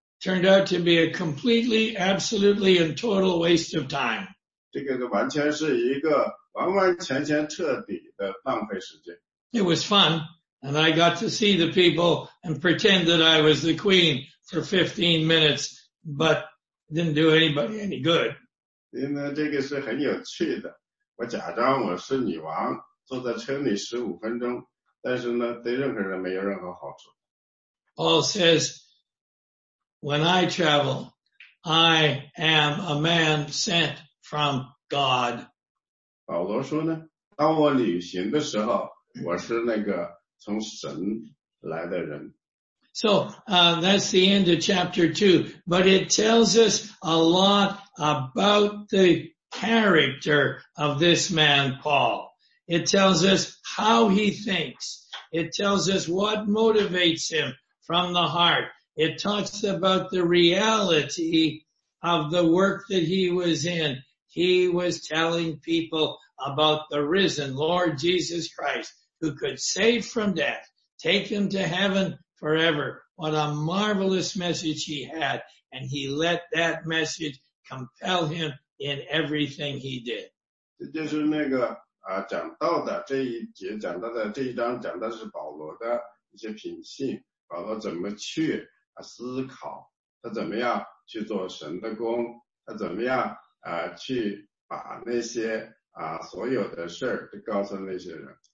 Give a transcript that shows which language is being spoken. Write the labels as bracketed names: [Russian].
[English] Turned out to be a completely, absolutely, and total waste of time. [Chinese] 这个完全是一个完完全全彻底的浪费时间。 [English] It was fun, and I got to see the people and pretend that I was the queen for 15 minutes, but didn't do anybody any good. [Chinese] 因为这个是很有趣的，我假装我是女王，坐在车里15分钟，但是呢，对任何人没有任何好处。 [English] Paul says, when I travel, I am a man sent from God. [Chinese] 保罗说呢，当我旅行的时候，我是那个从神来的人。 [English] So, that's the end of chapter 2, but it tells us a lot about the character of this man, Paul. It tells us how he thinks. It tells us what motivates him from the heart. It talks about the reality of the work that he was in. He was telling people about the risen Lord Jesus Christ, who could save from death, take him to heaven forever. What a marvelous message he had, and he let that message compel him in everything he did. [Chinese] 这就是那个讲到的这一节讲到的这一章讲的是保罗的一些品性，保罗怎么去思考，他怎么样去做神的工，他怎么样去把那些所有的事儿都告诉那些人。